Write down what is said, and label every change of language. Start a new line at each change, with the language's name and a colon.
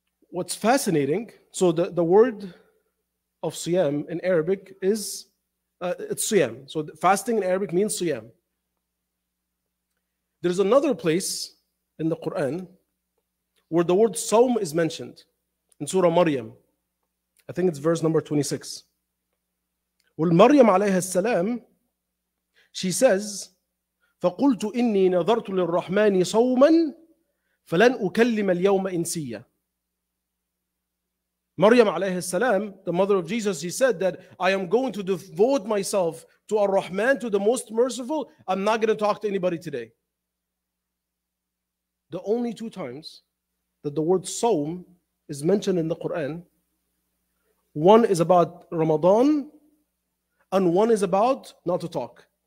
English: What's fascinating, so the word of siyam in Arabic is, it's siyam. So fasting in Arabic means siyam. There's another place in the Quran where the word sawm is mentioned in Surah Maryam. I think it's verse number 26. Well, Maryam alayha salam, she says,
Arabic: فَقُلْتُ إِنِّي نَذَرْتُ لِلرَّحْمَنِ صَوْمًا فَلَنْ أُكَلِّمَ الْيَوْمَ إِنْسِيَّ.
English: Maryam alayhi salam, the mother of Jesus, she said that I am going to devote myself to Ar-Rahman, to the most merciful. I'm not going to talk to anybody today. The only two times that the word Sawm is mentioned in the Quran, one is about Ramadan and one is about not to talk.